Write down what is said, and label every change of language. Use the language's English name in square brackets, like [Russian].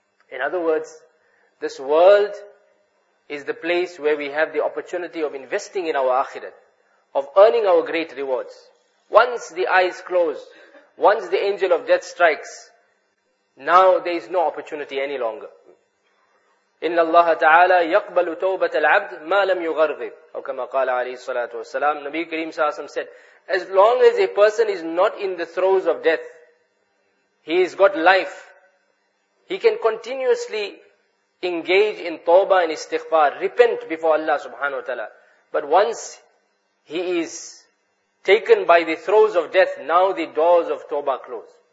[English] In other words, this world is the place where we have the opportunity of investing in our akhirat, of earning our great rewards. Once the eyes close, once the angel of death strikes, now there is no opportunity any longer. [Arabic] إِنَّ اللَّهَ تَعَالَى يَقْبَلُ تَوْبَةَ الْعَبْدِ مَا لَمْ يُغَرْغِبْ أو كما قال عليه الصلاة والسلام, [English] Nabi Kareem Sallallahu Alaihi Wasallam said, as long as a person is not in the throes of death, he has got life. He can continuously engage in tawbah and istighfar, repent before Allah subhanahu wa ta'ala. But once he is taken by the throes of death, now the doors of tawbah close.